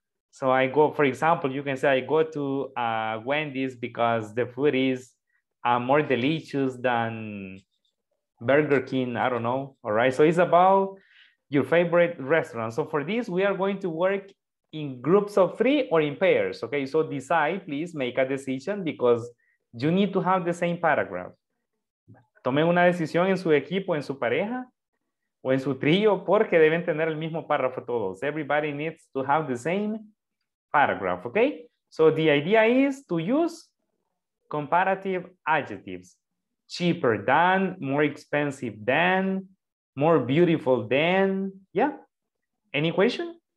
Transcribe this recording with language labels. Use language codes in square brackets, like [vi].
[en] So I go, for example, you can say I go to Wendy's because the food is more delicious than Burger King, I don't know, all right? So it's about your favorite restaurant. So for this, we are going to work in groups of three or in pairs, okay? So decide, please make a decision because you need to have the same paragraph. [es] Tomen una decisión en su equipo, en su pareja, o en su trío, porque deben tener el mismo párrafo todos. [en] Everybody needs to have the same paragraph, okay? So the idea is to use comparative adjectives. Cheaper than, more expensive than, more beautiful than, yeah? Any question?